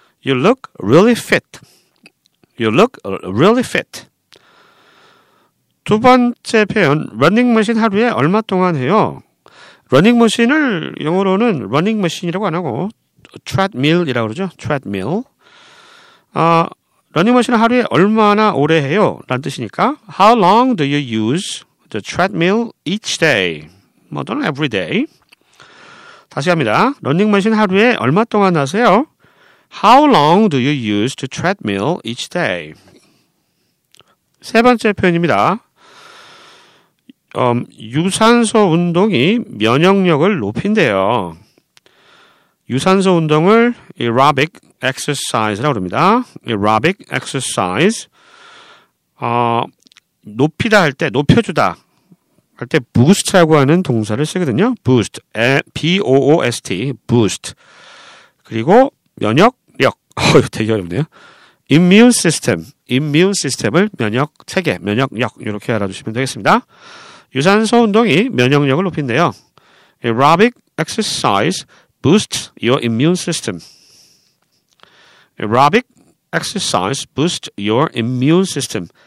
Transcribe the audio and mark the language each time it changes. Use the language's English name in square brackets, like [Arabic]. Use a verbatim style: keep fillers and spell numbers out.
[English] You look really fit. You look really fit. [Korean] 두 번째 표현, 러닝머신 하루에 얼마 동안 해요? 러닝머신을 영어로는 러닝머신이라고 안 하고 트레드밀이라고 그러죠. 트레드밀. 아, 러닝머신을 하루에 얼마나 오래 해요? [English] 라는 뜻이니까 How long do you use the treadmill each day? [Korean] 뭐 또는 every day. 다시 합니다. 러닝머신 하루에 얼마 동안 하세요? [English] How long do you use the treadmill each day? [Korean] 세 번째 표현입니다. 음, 유산소 운동이 면역력을 높인대요. 유산소 운동을 aerobic exercise라고 합니다. [English] aerobic exercise. [Korean] 어, 높이다 할 때, 높여주다 할 때 boost라고 하는 동사를 쓰거든요. [English] boost, B-O-O-S-T, boost. [Korean] 그리고 면역력, 어, 되게 어렵네요. immune system, immune system을 면역체계, 면역력 이렇게 알아두시면 되겠습니다. 유산소 운동이 면역력을 높인대요. [English] aerobic exercise boosts your immune system. aerobic exercise boosts your immune system.